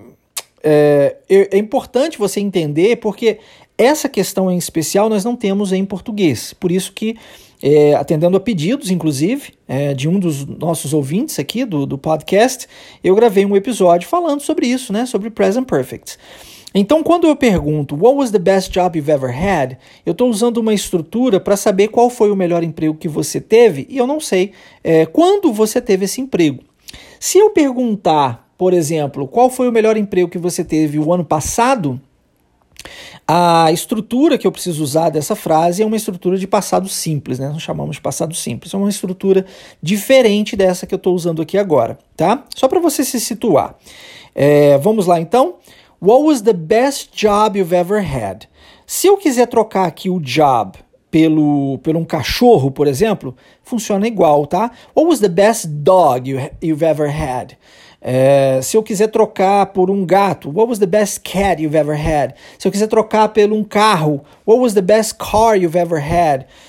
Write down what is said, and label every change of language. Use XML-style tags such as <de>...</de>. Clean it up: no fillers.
<pt>Mas é importante você entender, porque essa questão em especial nós não temos em português. Por isso que, atendendo a pedidos, inclusive, de um dos nossos ouvintes aqui do podcast, eu gravei um episódio falando sobre isso, né, sobre present perfect. Então, quando eu pergunto,</pt> <en>what was the best job you've ever had?</en> <pt>Eu estou usando uma estrutura para saber qual foi o melhor emprego que você teve, e eu não sei quando você teve esse emprego. Se eu perguntar, por exemplo, qual foi o melhor emprego que você teve o ano passado, a estrutura que eu preciso usar dessa frase é uma estrutura de passado simples, né? Nós chamamos de passado simples. É uma estrutura diferente dessa que eu estou usando aqui agora, tá? Só para você se situar. Vamos lá, então.</pt> <en>What was the best job you've ever had?</en> <pt>Se eu quiser trocar aqui o job pelo um cachorro, por exemplo, funciona igual, tá?</pt> <en>What was the best dog you've ever had?</en> <pt>Se eu quiser trocar por um gato,</pt> <en>what was the best cat you've ever had?</en> <pt>Se eu quiser trocar por um carro,</pt> <en>what was the best car you've ever had?</en>